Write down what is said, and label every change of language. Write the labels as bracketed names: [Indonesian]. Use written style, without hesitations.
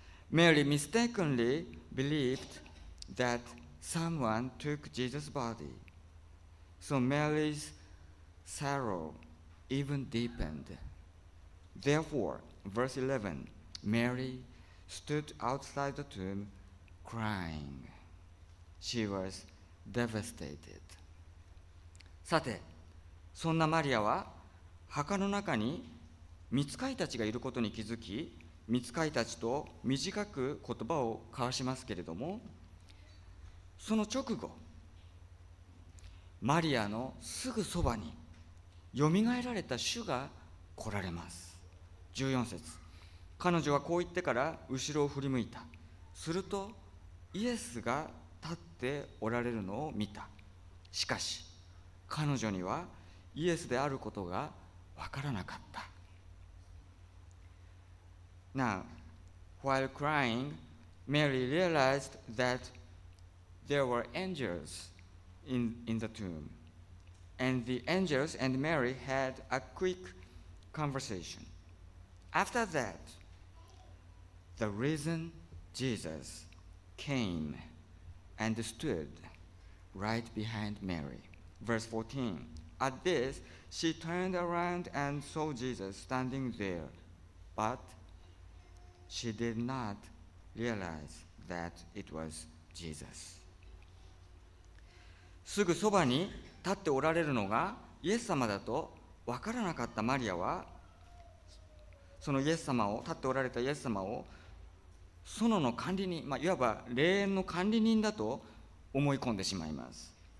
[English] Mary mistakenly believed that someone took Jesus' body, so Mary's sorrow even deepened. Therefore, verse 11, Mary stood outside the tomb crying. She was devastated. [Japanese] さて、そんなマリアは墓の中に御使いたちがいることに気づき、御使いたちと短く言葉を交わしますけれども、その直後、マリアのすぐそばによみがえられた主が来られます。 14節、彼女はこう言ってから後ろを振り向いた。するとイエスが立っておられるのを見た。しかし彼女にはイエスであることが分からなかった。 [English] Now, while crying, Mary realized that there were angels in the tomb, and the angels and Mary had a quick conversation. After that, the risen Jesus cameand stood right behind Mary. Verse 14, at this, she turned around and saw Jesus standing there, but she did not realize that it was Jesus. [Japanese] すぐそばに立っておられるのがイエス様だと分からなかったマリアは、そのイエス様を、立っておられたイエス様を園の管理人、まあ、いわば霊園の管理人だと思い込んでしまいます。